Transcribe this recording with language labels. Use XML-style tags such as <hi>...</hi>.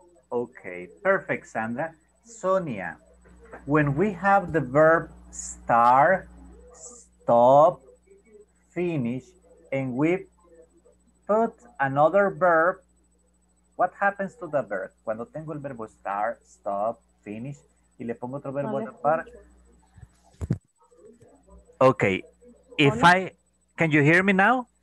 <en>Okay, perfect, Sandra. Sonia, when we have the verb start, stop, finish, and we put another verb, what happens to the verb?</en> <es>Cuando tengo el verbo start, stop, finish, y le pongo otro verbo a la par.</es> <en>Okay, if I, can you hear me now?</en>